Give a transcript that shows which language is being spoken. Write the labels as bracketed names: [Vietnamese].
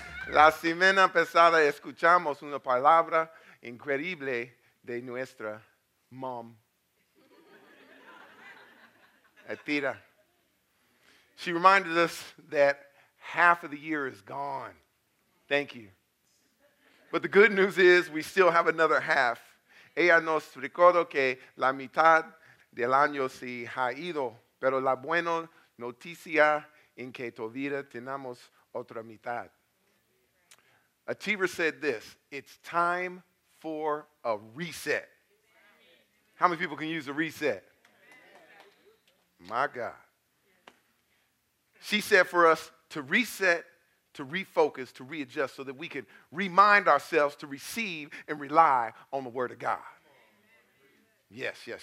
[Spanish] La semana pasada escuchamos una palabra increíble de nuestra mom, Atira. [English] She reminded us that half of the year is gone. Thank you. But the good news is we still have another half. [Spanish] Ella nos recordó que la mitad del año se ha ido, pero la buena noticia en que todavía tenemos otra mitad. [English] Atira said this, it's time for a reset. How many people can use a reset? My God. She said for us to reset, to refocus, to readjust so that we can remind ourselves to receive and rely on the Word of God. Yes.